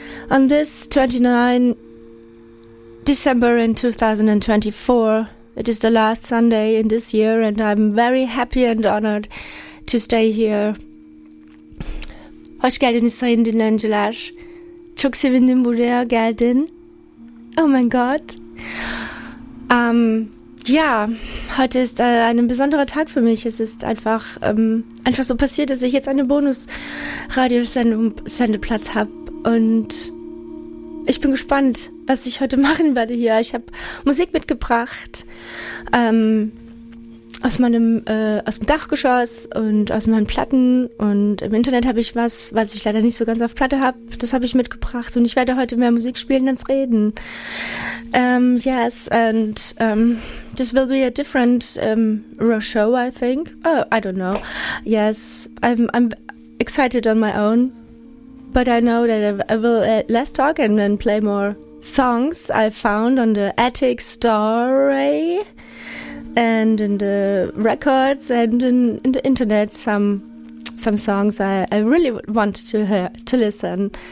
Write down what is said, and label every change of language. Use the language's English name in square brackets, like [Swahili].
[English] On this 29 December in 2024, it is the last Sunday in this year, and I'm very happy and honored to stay here. [Turkish] Hoş geldin sayın dinleyiciler. Çok sevindim buraya geldin. [German] Oh mein Gott. Ja, heute ist ein besonderer Tag für mich. Es ist einfach einfach so passiert, dass ich jetzt eine Bonus-Radio-Sendeplatz habe. Und ich bin gespannt, was ich heute machen werde hier. Ich habe Musik mitgebracht aus meinem aus dem Dachgeschoss und aus meinen Platten. Und im Internet habe ich was, was ich leider nicht so ganz auf Platte habe. Das habe ich mitgebracht. Und ich werde heute mehr Musik spielen als reden. [English] Yes, and this will be a different show, I think. Oh, I don't know. Yes, I'm excited on my own. But I know that I will less talk and then play more songs I found on the Attic Story and in the records and in the internet, some songs I really want to hear, to listen.